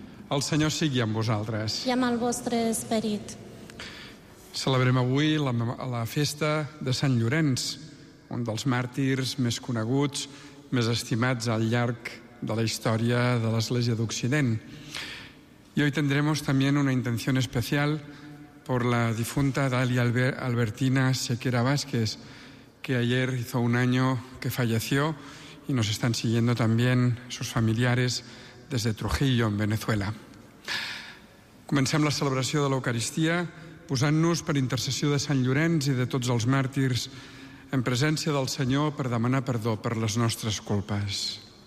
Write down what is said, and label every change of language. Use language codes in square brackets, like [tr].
[ca] El Senyor sigui amb vosaltres. I amb el vostre esperit. Celebrem avui la festa de Sant Llorenç, un dels màrtirs més coneguts, més estimats al llarg de la història de l'Església d'Occident. [es] I hoy tendremos también una intención especial por la difunta Dalia Albertina Sequera Vázquez, que ayer hizo un año que falleció, y nos están siguiendo también sus familiares desde Trujillo, en Venezuela. [ca] Comencem la celebració de l'Eucaristia posant-nos per intercessió de Sant Llorenç i de tots els màrtirs en presència del Senyor per demanar perdó per les nostres culpes.